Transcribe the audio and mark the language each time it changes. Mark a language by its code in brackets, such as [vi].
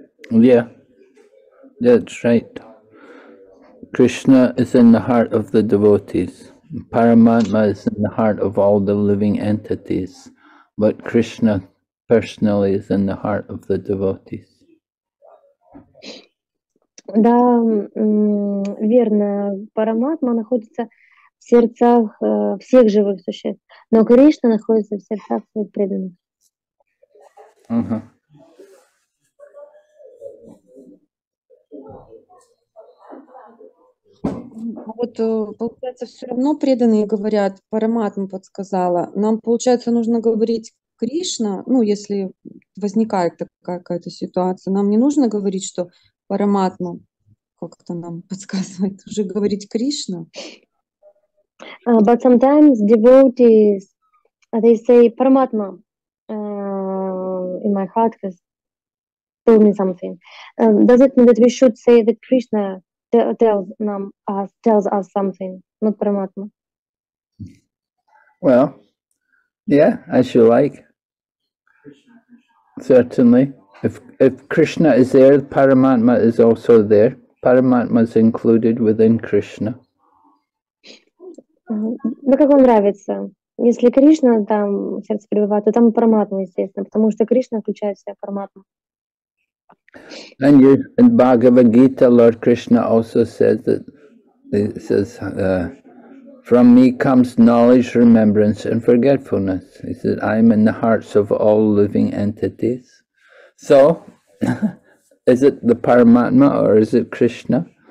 [en] Yeah, that's right. Krishna is in the heart of the devotees. Paramatma is in the heart of all the living entities. But Krishna personally is in the heart of the devotees. [ru] Да, верно. Параматма находится в сердцах всех живых существ. Но Кришна находится в сердцах своих преданных. А вот получается, все равно преданные говорят, Параматма подсказала. Нам, получается, нужно говорить Кришна, ну, если возникает такая какая-то ситуация, нам не нужно говорить, что Параматма как-то нам подсказывает, уже говорить Кришна. [en] But sometimes devotees, they say, Параматма in my heart has told me something. Does it mean that we should say that Krishna tells us something, not Paramatma? Well, yeah, as you like. Certainly. If Krishna is there, Paramatma is also there. Paramatma is included within Krishna. [ru] Да как вам нравится? Если Кришна там в сердце пребывает, то там Параматма, естественно, потому что Кришна включает в себя Параматму. [en] And in Bhagavad Gita, Lord Krishna also says that he says, "From me comes knowledge, remembrance, and forgetfulness." He said, "I am in the hearts of all living entities." So, is it the Paramatma or is it Krishna?